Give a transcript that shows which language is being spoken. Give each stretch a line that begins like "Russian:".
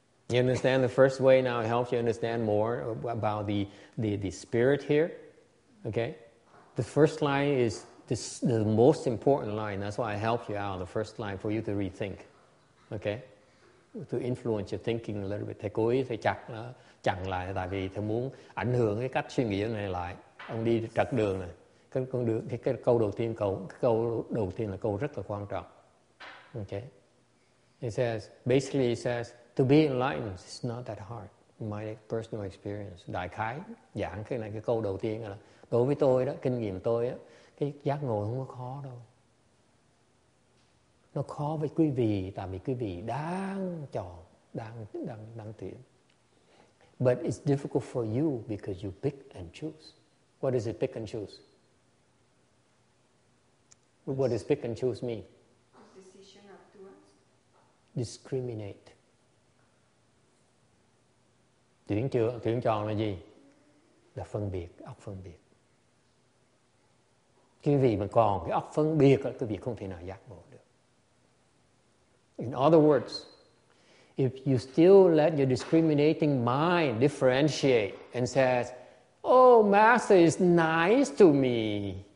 English: You understand the first way now helps you understand more about the spirit here, okay? The first line is, this is the most important line. That's why I help you out on the first line for you to rethink. Okay? To influence your thinking a little bit.
Vietnamese: Thầy cố ý thầy chặt nó, chặn lại tại vì thầy muốn ảnh hưởng cái cách suy nghĩ này lại. Ông đi trật đường này. Cái con đường, cái câu đầu tiên, câu đầu tiên là câu rất là quan trọng.
English: Okay? It says, to be enlightened is not that hard. My personal experience.
Vietnamese: Đại khái, giảng cái này, cái câu đầu tiên là đối với tôi đó, kinh nghiệm tôi á, cái giác ngộ không có khó đâu. Nó khó với quý vị, tại vì quý vị đang chọn, đang tuyển.
English: But it's difficult for you because you pick and choose. What is it, pick and choose? What does pick and choose mean? Decision afterwards. Discriminate.
Vietnamese: Tuyển chọn là gì? Là phân biệt, óc phân biệt. Cái vị mà còn cái óc phân biệt là cái vị không thể nào giác ngộ được.
English: In other words, if you still let your discriminating mind differentiate and says, oh, Master is nice to me.